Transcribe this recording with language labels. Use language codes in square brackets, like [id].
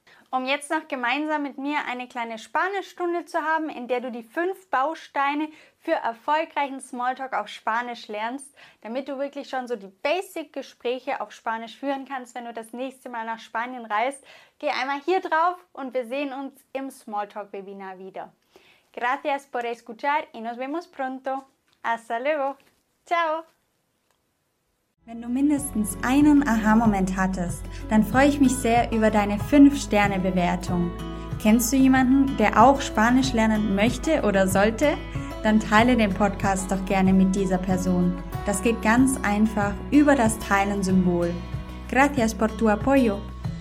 [de] Um jetzt noch gemeinsam mit mir eine kleine Spanischstunde zu haben, in der du die 5 Bausteine für erfolgreichen Smalltalk auf Spanisch lernst, damit du wirklich schon so die Basic-Gespräche auf Spanisch führen kannst, wenn du das nächste Mal nach Spanien reist, geh einmal hier drauf und wir sehen uns im Smalltalk-Webinar wieder. [es] Gracias por escuchar y nos vemos pronto. Hasta luego. Ciao. [de] Wenn du mindestens einen Aha-Moment hattest, dann freue ich mich sehr über deine 5-Sterne-Bewertung. Kennst du jemanden, der auch Spanisch lernen möchte oder sollte? Dann teile den Podcast doch gerne mit dieser Person. Das geht ganz einfach über das Teilen-Symbol. [es] Gracias por tu apoyo.